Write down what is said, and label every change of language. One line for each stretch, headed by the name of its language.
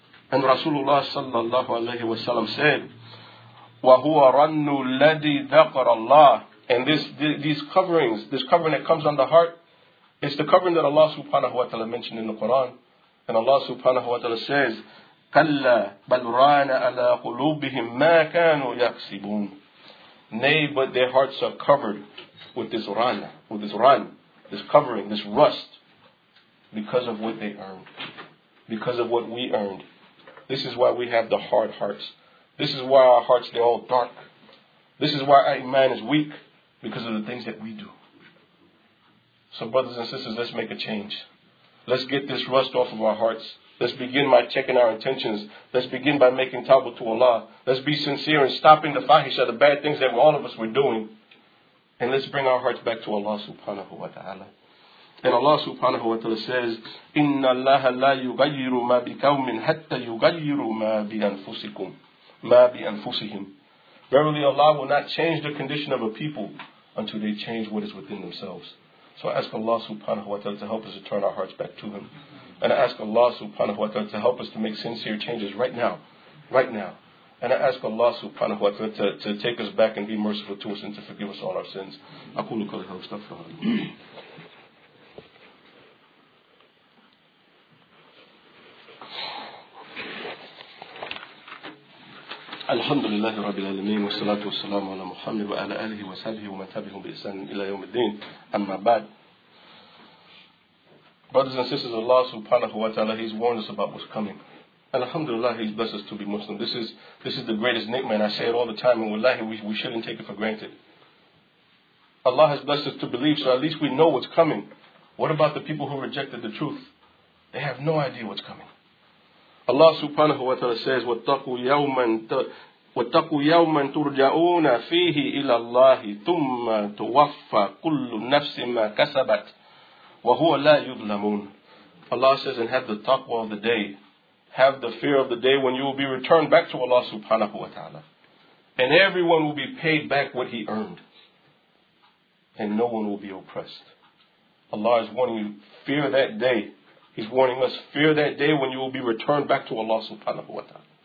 English: And Rasulullah sallallahu alayhi wa sallam said,
Arabic: وَهُوَ رَنُّ الَّذِي ذَكَرَ اللَّهِ.
English: And this covering that comes on the heart, it's the covering that Allah subhanahu wa ta'ala mentioned in the Quran. And Allah subhanahu wa ta'ala says,
Arabic: كَلَّا بَلْ رَانَ عَلَىٰ قُلُوبِهِمْ مَا كَانُوا يَكْسِبُونَ.
English: Nay, but their hearts are covered with this rana, with this ran, this covering, this rust, because of what they earned, because of what we earned. This is why we have the hard hearts. This is why our hearts, they're all dark. This is why our iman is weak. because of the things that we do. So brothers and sisters, let's make a change. Let's get this rust off of our hearts. Let's begin by checking our intentions. Let's begin by making tawbah to Allah. Let's be sincere in stopping the fahisha, the bad things that all of us were doing. And let's bring our hearts back to Allah subhanahu wa ta'ala. And Allah subhanahu wa ta'ala says,
Arabic: إِنَّ اللَّهَ لَا يُغَيِّرُ مَا بِكَوْمٍ حَتَّى يُغَيِّرُ مَا بِأَنفُسِكُمْ مَا بِأَنفُسِهِمْ.
English: Verily Allah will not change the condition of a people until they change what is within themselves. So I ask Allah subhanahu wa ta'ala to help us to turn our hearts back to Him. And I ask Allah subhanahu wa ta'ala to help us to make sincere changes right now. Right now. And I ask Allah subhanahu wa ta'ala to take us back and be merciful to us and to forgive us all our sins.
Arabic: أَقُولُ كَلْ هَوْسْتَفْرَهُ الحمد لله رب العالمين والصلاة والسلام على محمد وعلى آله وصحبه ومن تبعهم بإحسان إلى يوم الدين أما بعد.
English: Brothers and sisters, Allah subhanahu wa ta'ala, He's warned us about what's coming. And alhamdulillah, He's blessed us to be Muslim. This is the greatest ni'mah, and I say it all the time, and wallahi, we shouldn't take it for granted. Allah has blessed us to believe, so at least we know what's coming. What about the people who rejected the truth? They have no idea what's coming. Allah subhanahu wa ta'ala says,
Arabic: وَاتَّقُوا يَوْمًا تُرْجَعُونَ فِيهِ إِلَى اللَّهِ ثُمَّ تُوَفَّى كُلُّ نَفْسٍ مَا كَسَبَتْ وَهُوَ لَا يُظْلَمُونَ.
English: Allah says, and have the taqwa of the day. Have the fear of the day when you will be returned back to Allah subhanahu wa ta'ala. And everyone will be paid back what he earned. And no one will be oppressed. Allah is warning you, fear that day. He's warning us, fear that day when you will be returned back to Allah subhanahu wa ta'ala.